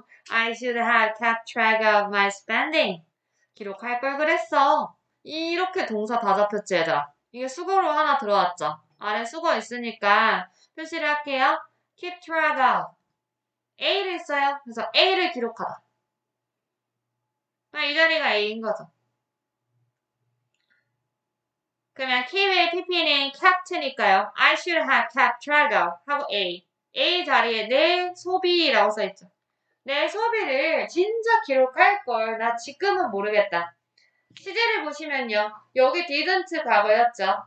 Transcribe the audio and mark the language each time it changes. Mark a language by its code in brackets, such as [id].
[en] I should have kept track of my spending. [ko] 기록할 걸 그랬어. 이렇게 동사 다 잡혔지, 얘들아. 이게 수거로 하나 들어왔죠. 아래 수거 있으니까 표시를 할게요. Keep track of. A를 써요. 그래서 A를 기록하다. 이 자리가 A인 거죠. 그러면 keep의 PP는 kept니까요. [en] I should have kept track of 하고 A. [ko] A 자리에 내 소비라고 써있죠. 내 소비를 진짜 기록할 걸나 지금은 모르겠다. 시제를 보시면요. 여기 didn't 과거였죠.